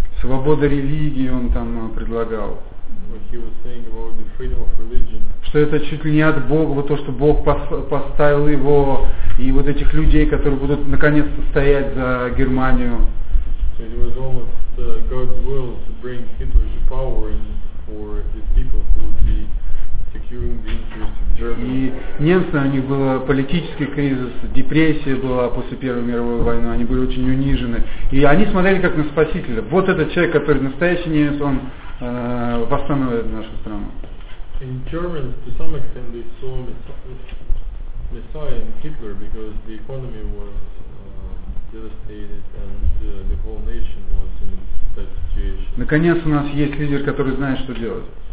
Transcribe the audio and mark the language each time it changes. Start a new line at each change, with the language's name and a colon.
Russian: Свобода религии он там предлагал.
English: What he was saying about the freedom of religion.
Russian: Что это чуть ли не от Бога, вот то, что Бог поставил его и вот этих людей, которые будут наконец-то стоять за Германию.
English: So it was almost God's will to bring Hitler to power and for his people who would be securing the interests of Germany.
Russian: И немцы, у них был политический кризис, депрессия была после Первой мировой войны, они были очень унижены. И они смотрели как на спасителя. Вот этот человек, который настоящий немец, он восстановит нашу страну.
English: In Germany, to some extent, they saw Messiah in Hitler, because the economy was devastated and the whole nation was in that situation.
Russian: Наконец у нас есть лидер, который знает, что делать.